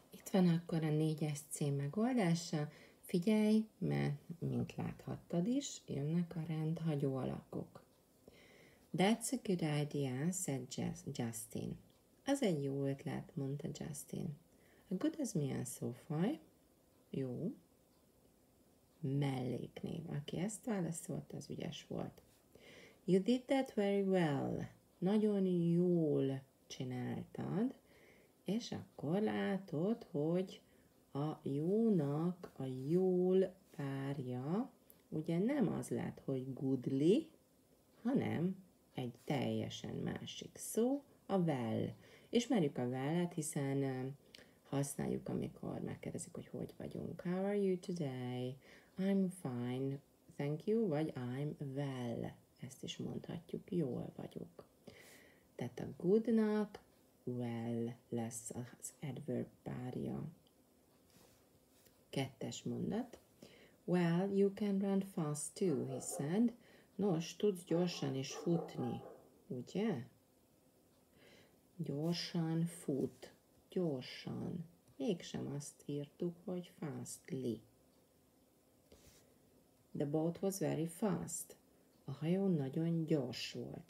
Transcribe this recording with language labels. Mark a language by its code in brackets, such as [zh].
[hu] van akkor a 4-es C megoldása. Figyelj, mert, mint láthattad is, jönnek a rendhagyó alakok. [en] That's a good idea, said Justin. [hu] Az egy jó ötlet, mondta Justin. A good az milyen szófaj? Jó. Melléknév. Aki ezt válaszolt, az ügyes volt. [en] You did that very well. [hu] Nagyon jól csináltad. És akkor látod, hogy a jónak a jól párja ugye nem az lett, hogy goodly, hanem egy teljesen másik szó, a well. Ismerjük a well-et, hiszen használjuk, amikor megkérdezik, hogy hogy vagyunk. [en] How are you today? I'm fine, thank you, vagy I'm well. [hu] Ezt is mondhatjuk, jól vagyok. Tehát a goodnak well lesz az adverb párja. 2. mondat. [en] Well, you can run fast too, he said. [hu] Nos, tudsz gyorsan is futni, ugye? Gyorsan fut. Gyorsan. Mégsem azt írtuk, hogy fastly. [en] The boat was very fast. [hu] A hajó nagyon gyors volt.